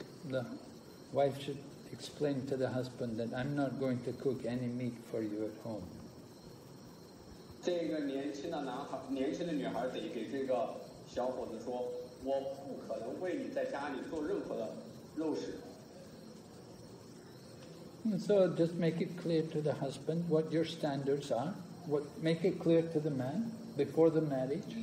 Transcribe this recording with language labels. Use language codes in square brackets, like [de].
[en] The wife should explain to the husband that I'm not going to cook any meat for you at home. [zh] 这个年轻的男孩得给这个小伙子说，我不可能为你在家里做任何的肉食。 [en] So just make it clear to the husband what your standards are. What make it clear to the man before the marriage.